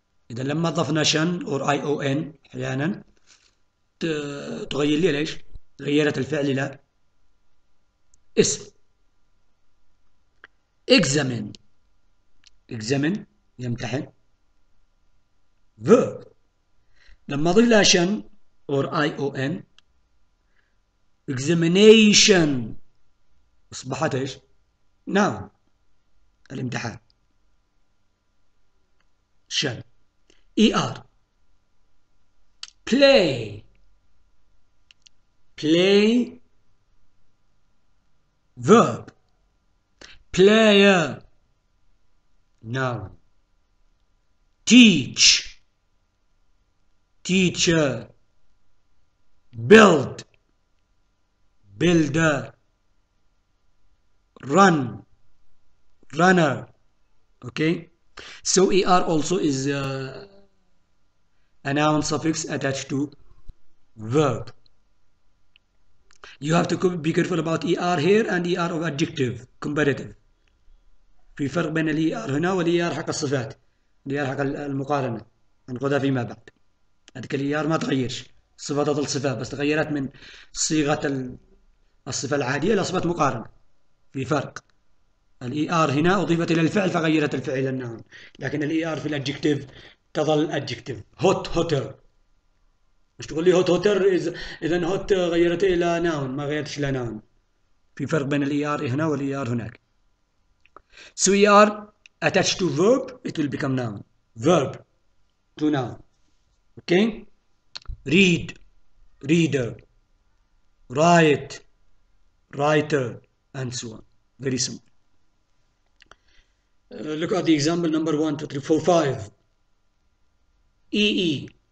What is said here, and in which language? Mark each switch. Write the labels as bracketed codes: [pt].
[ar] إذا لما ضفنا شن or I O N أحيانا تغير لي ليش؟ غيرت الفعل إلى اسم. [en] Examine. Examine يمتحن. Verb. [ar] لما ضفنا شن or I O N examination أصبحت ايش؟ noun. الامتحان. [en] Tion ER play play verb player noun teach teacher build builder run runner okay So ER also is a noun suffix attached to verb. You have to be careful about ER here and ER of adjective, comparative. [ar] في فرق بين الاي ار هنا والاي ار حق الصفات، الاي ار حق المقارنه هنقولها فيما بعد. هذيك الاي ار ما تغيرش، الصفه تظل صفه بس تغيرت من صيغه الصفه العاديه لصفه مقارنه. في فرق، الاي ار هنا اضيفت الى الفعل فغيرت الفعل الى النون، لكن الاي ار في الادجكتيف تظل ادجكتيف. هوت هوتر، مش تقول لي هوت هوتر اذا هوت غيرت الى نون، ما غيرتش الى نون. في فرق بين الاي ار هنا والاي ار هناك. [en] So we are attached to verb, it will become noun. Verb to noun. Okay? Read, reader, write, writer, and so on. Very simple. Look at the example number 1, 2, 3, 4, 5. EE.